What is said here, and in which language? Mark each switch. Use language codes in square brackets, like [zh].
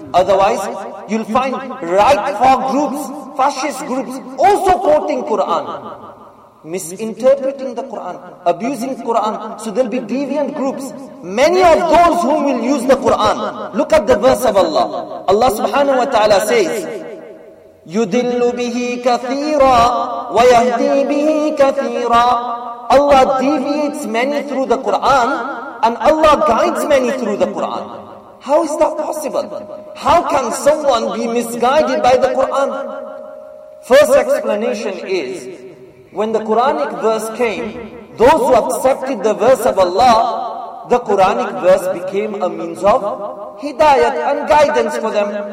[en] Otherwise, you'll find right-wing groups, fascist groups, also quoting Quran, misinterpreting the Quran, abusing Quran. So there'll be deviant groups. Many of those whom will use the Quran. Look at the verse of Allah. Allah subhanahu wa ta'ala says, [ar] يُدِلُّ بِهِ كَثِيرًا وَيَهْدِي بِهِ كَثِيرًا. [en] Allah deviates many through the Quran and Allah guides many through the Quran. How is that possible? How can someone be misguided by the Quran? First explanation is, when the Quranic verse came, those who accepted the verse of Allah, the Quranic verse became a means of hidayat and guidance for them.